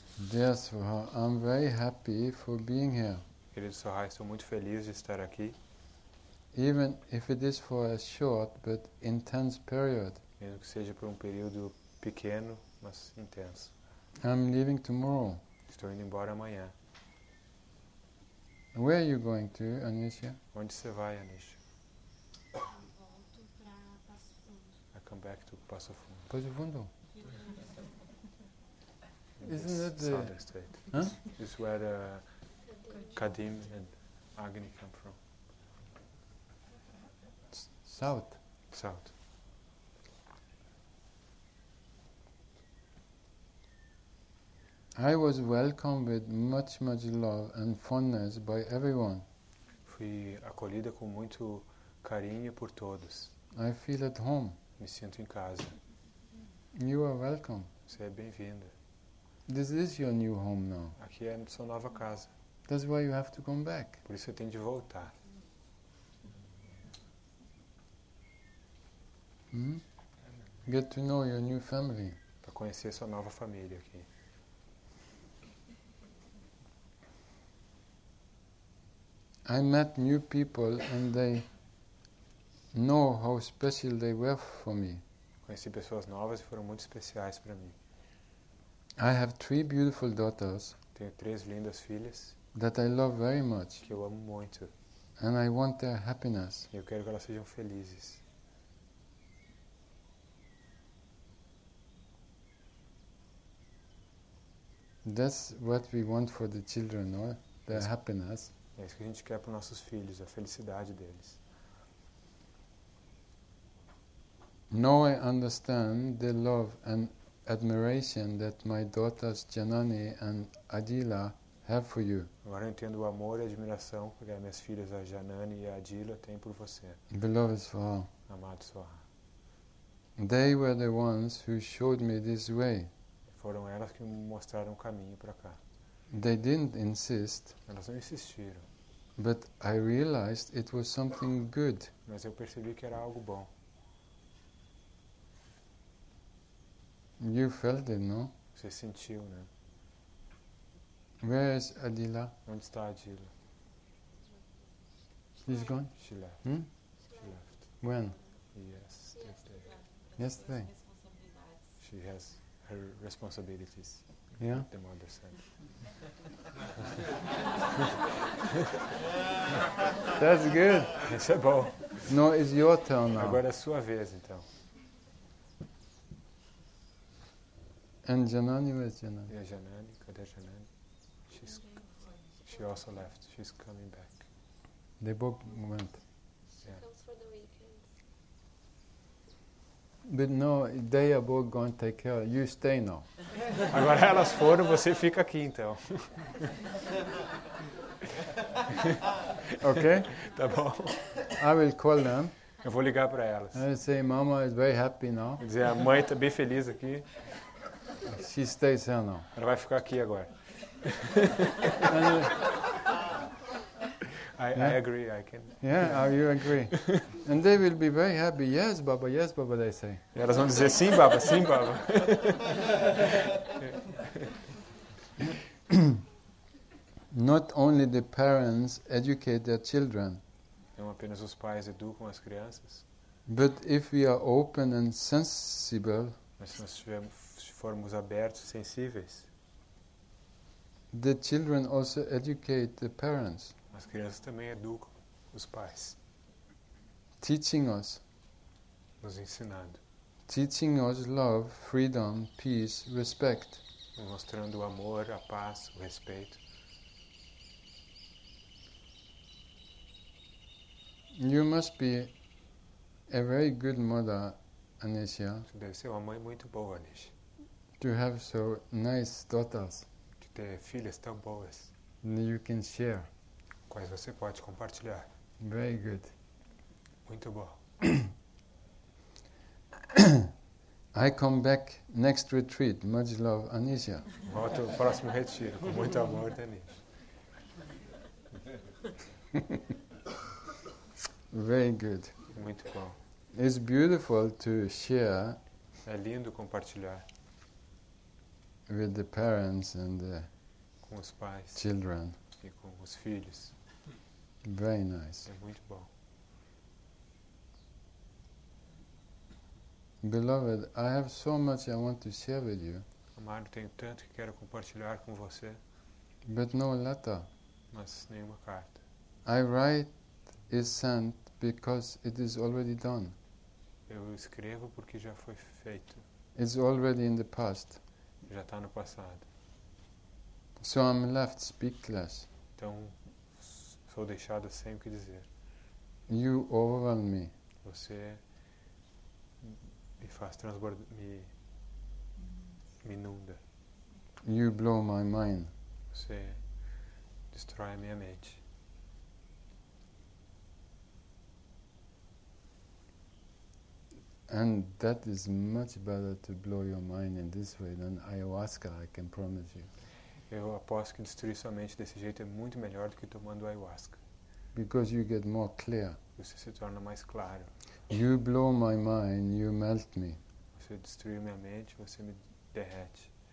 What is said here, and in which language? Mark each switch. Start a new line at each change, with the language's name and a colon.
English: Dear Soha, I'm very happy for being here.
Portuguese: Querido Soha, estou muito feliz de estar aqui.
English: Even if it is for a short but intense period.
Portuguese: Mesmo que seja por período pequeno, mas intenso.
English: I'm leaving tomorrow.
Portuguese: Estou indo embora amanhã.
English: Where are you going to, Anisha?
Portuguese: Onde você vai, Anisha? Volto para Passo Fundo.
English: I come back to Passo Fundo. Passo Fundo. Isn't that the Southern state? Huh? It's where the Kadim and Agni come from. South. South. I was welcomed with much, much love and fondness by everyone.
Portuguese: Fui acolhida com muito carinho por todos.
English: I feel at home.
Portuguese: Me sinto em casa.
English: You are welcome.
Portuguese: Você é bem-vinda.
English: This is your new home now.
Portuguese: Aqui é sua nova casa.
English: That's why you have to come back.
Portuguese: Por isso você tem de voltar. Hmm?
English: Get to know your new family.
Portuguese: Para conhecer sua nova família aqui.
English: I met new people and they know how special they were for me.
Portuguese: Conheci pessoas novas e foram muito especiais para mim.
English: I have three beautiful daughters.
Portuguese: Tenho três lindas filhas.
English: That I love very much.
Portuguese: Que eu amo muito.
English: And I want their happiness.
Portuguese: Eu quero que elas sejam felizes.
English: That's what we want for the children, no? Their happiness.
Portuguese: É isso que a gente quer para nossos filhos, a felicidade deles.
English: Now I understand the love and admiration that my daughters Janani and Adila have for you.
Portuguese: Agora eu entendo o amor e a admiração que as minhas filhas a Janani e a Adila têm por você.
English: Beloved Soha.
Portuguese: Amado Soha.
English: They were the ones who showed me this way.
Portuguese: Foram elas que me mostraram o caminho para cá.
English: They didn't insist.
Portuguese: Elas não insistiram.
English: But I realized it was something good.
Portuguese: Mas eu percebi que era algo bom.
English: You felt it, no?
Portuguese: Você sentiu, né?
English: Where is Adila?
Portuguese: Onde está Adila?
English: She's gone? She left. Hmm? She left. When? Yesterday. Yesterday? She has her responsibilities. Yeah? The mother said. That's good.
Portuguese: Isso é bom.
English: No, it's your turn now.
Portuguese: Agora é sua vez, então.
English: And Janani, where's Janani? Yeah, Janani,
Portuguese: cadê Janani?
English: She also left. She's coming back. They both went. She comes for the weekend. But no, they are both going to take care. You stay now.
Portuguese: Agora elas foram, você fica aqui então.
English: Okay?
Portuguese: Tá bom.
English: I will call them.
Portuguese: Eu vou ligar para elas.
English: I say, Mama is very happy now.
Portuguese: Quer dizer, a mãe está bem feliz aqui.
English: She stays here now.
Portuguese: Ela vai ficar aqui agora.
English: I agree, I can. Yeah, are you agree? And they will be very happy. Yes, Baba, they say.
Portuguese: E elas vão dizer sim, Baba, sim, Baba.
English: Not only the parents educate their children.
Portuguese: Não apenas os pais educam as crianças.
English: But if we are open and sensible.
Portuguese: Mas se nós formos abertos, sensíveis.
English: The children also educate the parents.
Portuguese: As crianças também educam os pais.
English: Teaching us.
Portuguese: Nos ensinando.
English: Teaching us love, freedom, peace, respect.
Portuguese: Mostrando o amor, a paz, o respeito.
English: You must be a very good mother, Anisha.
Portuguese: Você deve ser uma mãe muito boa, Anisha.
English: To have so nice daughters.
Portuguese: De ter filhas tão boas.
English: You can share.
Portuguese: quais você pode compartilhar.
English: Very good.
Portuguese: Muito bom.
English: I come back next retreat. Much love, Anisha.
Portuguese: Volto ao próximo retiro. Com muito amor, Anisha.
English: Very good.
Portuguese: Muito bom.
English: It's beautiful to share.
Portuguese: É lindo compartilhar.
English: With the parents and the
Portuguese: com os pais
English: children.
Portuguese: E com os filhos.
English: Very nice.
Portuguese: É muito bom.
English: Beloved, I have so much I want to share with you.
Portuguese: Amado, tenho tanto que quero compartilhar com você.
English: But no letter.
Portuguese: Mas nenhuma carta.
English: I write is sent because it is already done.
Portuguese: Eu escrevo porque já foi feito.
English: It's already in the past.
Portuguese: Já está no passado.
English: So I'm left speechless.
Portuguese: Então, sou deixado sem o que dizer.
English: You overwhelm me.
Portuguese: Você me faz transbordar, me inunda.
English: You blow my mind.
Portuguese: Você destrói a minha mente.
English: And that is much better to blow your mind in this way than ayahuasca, I can promise you.
Portuguese: Eu aposto que destruir sua mente desse jeito é muito melhor do que tomando ayahuasca.
English: Because you get more clear.
Portuguese: Você se torna mais claro.
English: You blow my mind, you melt me.
Portuguese: Você destruiu minha mente, você me derrete.